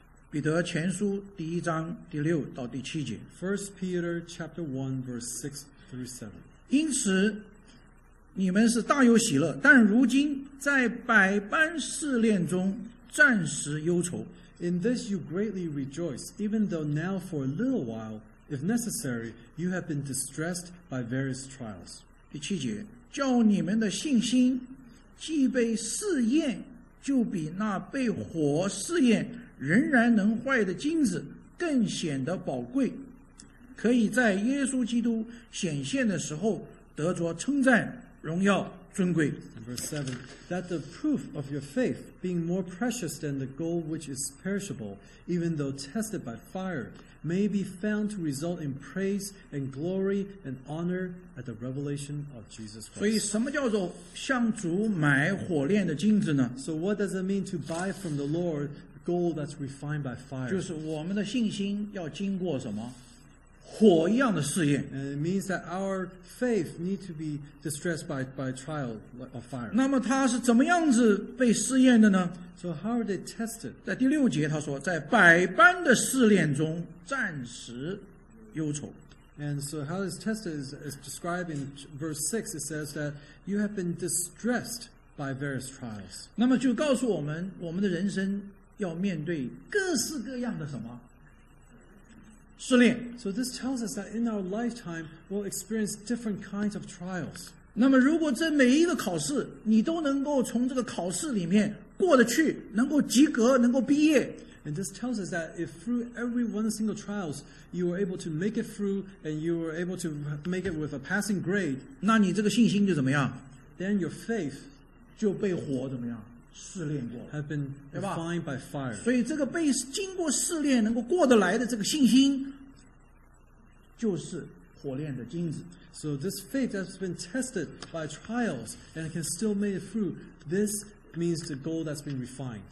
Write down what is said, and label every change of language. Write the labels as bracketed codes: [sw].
[zh] 彼得前书第一章第六到第七节。 [en] First Peter chapter 1 verse 6 through 7. [zh] 因此你们是大有喜乐，但如今在百般试炼中暂时忧愁。 [en] In this you greatly rejoice, even though now for a little while, if necessary, you have been distressed by various trials. [zh] 第七节，叫你们的信心既被试验，就比那被火试验仍然能坏的金子更显得宝贵，可以在耶稣基督显现的时候得着称赞、荣耀、尊贵。 [en] Verse 7, that the proof of your faith, being more precious than the gold which is perishable, even though tested by fire, may be found to result in praise and glory and honor at the revelation of Jesus Christ. [zh] 所以什么叫做向主买火炼的金子呢？ [en] So what does it mean to buy from the Lord gold that's refined by fire? [zh] 就是我们的信心要经过什么？火一样的试验。 [en] And it means that our faith need to be distressed by trial of fire. [zh] 那么它是怎么样子被试验的呢？ [en] So how are they tested? [zh] 在第六节他说在百般的试炼中暂时忧愁。 [en] And so how it's tested is described in verse 6. It says that you have been distressed by various trials. [zh] 那么就告诉我们我们的人生要面对各式各样的什么？试炼。 [en] So this tells us that in our lifetime, we'll experience different kinds of trials. [zh] 那么如果这每一个考试，你都能够从这个考试里面过得去，能够及格，能够毕业。 [en] And this tells us that if through every one single trials, you were able to make it through, and you were able to make it with a passing grade, [zh] 那你这个信心就怎么样？ [en] Then your faith [zh] 就被火怎么样？试炼过， [en] have been refined by fire. [zh] 所以这个被经过试炼能够过得来的这个信心，就是火炼的金子。 [en] So this faith that's been tested by trials and can still make it through, this means the gold that's been refined.